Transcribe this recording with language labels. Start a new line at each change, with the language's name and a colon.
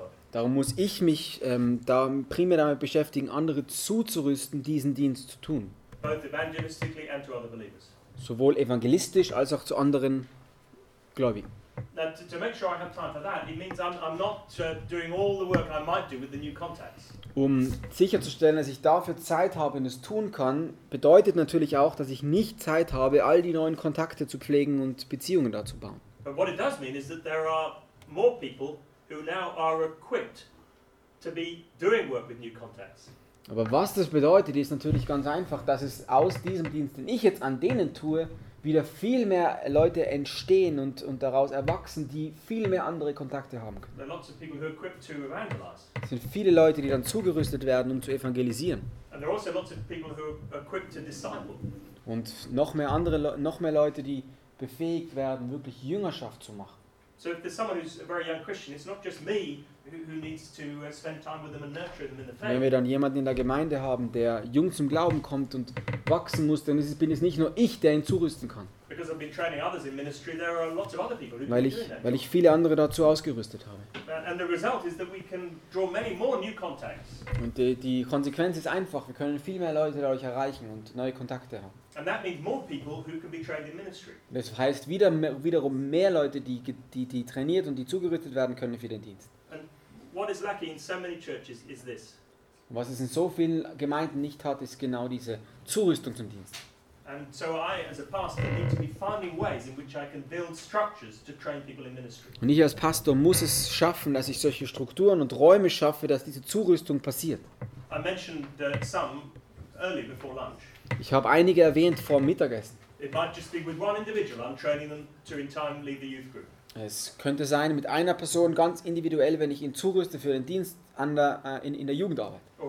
German: Darum muss ich mich primär damit beschäftigen, andere zuzurüsten, diesen Dienst zu tun.
English: Both evangelistically and to other believers.
German: Sowohl evangelistisch als auch zu anderen Gläubigen.
English: To make sure I have time for that, it means I'm not doing all the work I might do with the new contacts.
German: Um sicherzustellen, dass ich dafür Zeit habe und es tun kann, bedeutet natürlich auch, dass ich nicht Zeit habe, all die neuen Kontakte zu pflegen und Beziehungen dazu bauen.
English: But what it does mean is that there are more people who now are equipped to be doing work with new contacts.
German: Aber was das bedeutet, ist natürlich ganz einfach, dass es aus diesem Dienst, den ich jetzt an denen tue, wieder viel mehr Leute entstehen und daraus erwachsen, die viel mehr andere Kontakte haben können.
English: There are lots of people who are equipped to evangelize.
German: Es sind viele Leute, die dann zugerüstet werden, um zu evangelisieren.
English: And there are also lots of people who are equipped to disciple.
German: Und noch mehr Leute, die befähigt werden, wirklich Jüngerschaft zu machen.
English: So if there's someone who's a very young Christian, it's not just me who needs to spend time with them and nurture them in the faith.
German: Wenn wir dann jemanden in der Gemeinde haben, der jung zum Glauben kommt und wachsen muss, dann bin es nicht nur ich, der ihn zurüsten kann.
English: Because I've been training others in ministry, there are lots of other people who can do that.
German: Weil ich viele andere dazu ausgerüstet habe.
English: And the result is that we can draw many more new contacts.
German: Und die Konsequenz ist einfach, wir können viel mehr Leute dadurch erreichen und neue Kontakte haben.
English: And that means more people who can be trained in ministry.
German: Das heißt wiederum mehr Leute, die trainiert und die zugerüstet werden können für den Dienst.
English: And what is lacking in so many churches is this.
German: Was es in so vielen Gemeinden nicht hat, ist genau diese Zurüstung zum Dienst.
English: And so I, as a pastor, need to be finding ways in which I can build structures to train people in ministry.
German: Und ich als Pastor muss es schaffen, dass ich solche Strukturen und Räume schaffe, dass diese Zurüstung passiert.
English: I mentioned some early before lunch.
German: Ich habe einige erwähnt vor dem Mittagessen.
English: It might just be with one individual. I'm training them to in time lead the youth group.
German: Es könnte sein, mit einer Person ganz individuell, wenn ich ihn zurüste für den Dienst in der Jugendarbeit.